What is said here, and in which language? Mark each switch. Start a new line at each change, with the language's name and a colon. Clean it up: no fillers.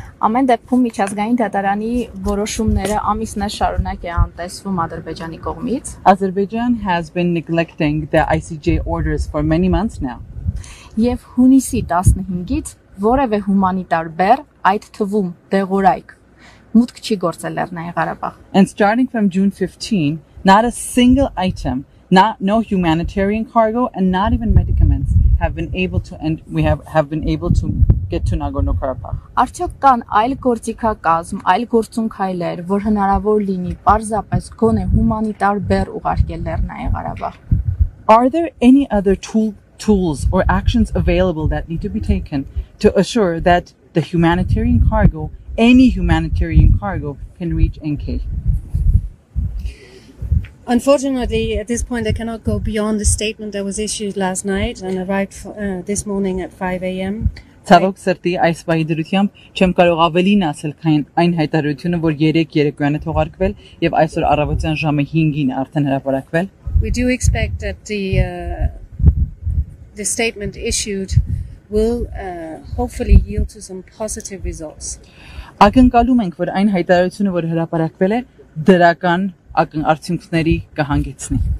Armenian: Ամեն դեպքում միջազգային դատարանի որոշումները ամիսներ շարունակ է անտեսվում Ադրբեջանի կողմից.
English: Azerbaijan has been neglecting the ICJ orders for many months now.
Armenian: Եվ հունիսի 15-ից որևէ հումանիտար բեռ, այդ թվում դեղորայք, մուտք չի գործել Լեռնային Ղարաբաղ.
English: And starting from June 15, not a single item, no humanitarian cargo and not even medicaments have been able to get to Nagorno-Karabakh.
Armenian: Արդյոք կան այլ գործիքակազմ, այլ գործունքայլեր, որ հնարավոր լինի պարզապես գոնե հումանիտար բեր ուղարկել Լեռնային Ղարաբաղ.
English: Are there any other tools or actions available that need to be taken to assure that the humanitarian cargo, any humanitarian cargo can reach NK? Unfortunately, at this point, I cannot go beyond the statement that was issued last night and arrived this morning at 5 a.m.
Armenian: Ցավոք սրտի, այս պահի դրությամբ չեմ կարող ավելին ասել քան այն հայտարարությունը, որ 3:30-ին է թողարկվել եւ այսօր առավոտյան ժամը 5-ին արդեն հրապարակվել։
English: We do expect that the statement issued will hopefully yield to some positive results.
Armenian: Ակնկալում ենք, որ այն հայտարարությունը, որ հրապարակվել է, դրական ակն արդյունքների կհանգեցնի։